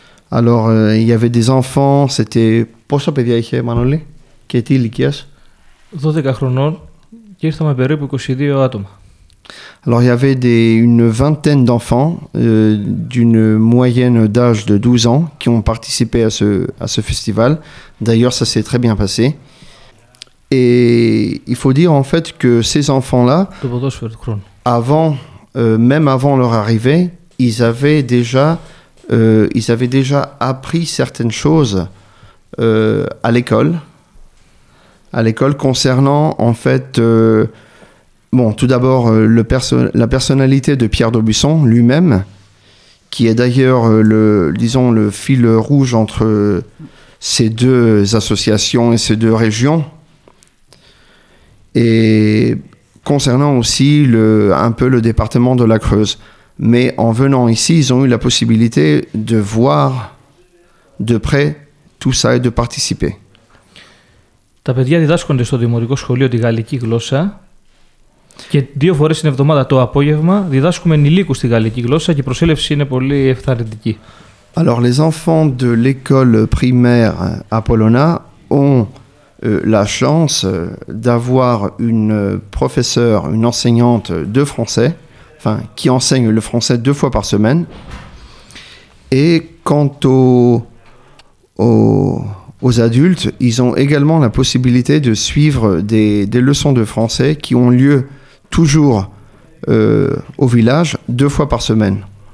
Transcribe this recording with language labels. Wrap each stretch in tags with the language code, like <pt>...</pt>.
<fr>Alors, il y avait des enfants, c'était...</fr> <el>Πόσα παιδιά είχε, Μανώλη, και τι ηλικίας? 12 χρονών και ήρθαμε περίπου 22 άτομα.</el> <fr>Alors il y avait une vingtaine d'enfants d'une moyenne d'âge de 12 ans qui ont participé à ce festival. D'ailleurs ça s'est très bien passé. Et il faut dire en fait que ces enfants-là, avant, même avant leur arrivée, ils avaient déjà ils avaient déjà appris certaines choses à l'école. À l'école concernant, en fait, bon, tout d'abord, la personnalité de Pierre d'Aubusson lui-même, qui est d'ailleurs le fil rouge entre ces deux associations et ces deux régions. Et concernant aussi un peu le département de la Creuse. Mais en venant ici, ils ont eu la possibilité de voir de près tout ça et de participer.</fr> <el>Τα παιδιά διδάσκονται στο δημοτικό σχολείο τη γαλλική γλώσσα και δύο φορές την εβδομάδα το απόγευμα διδάσκουμε ενηλίκους τη γαλλική γλώσσα και η προσέλευση είναι πολύ ευθαρρυντική.</el> <fr>Alors les enfants de l'école primaire Apollona ont la chance d'avoir une professeure, une enseignante de français, enfin qui enseigne le français deux fois par semaine. Et quant aux adultes, ils ont également la possibilité de suivre des leçons de français qui ont lieu toujours au village deux fois par semaine.</fr>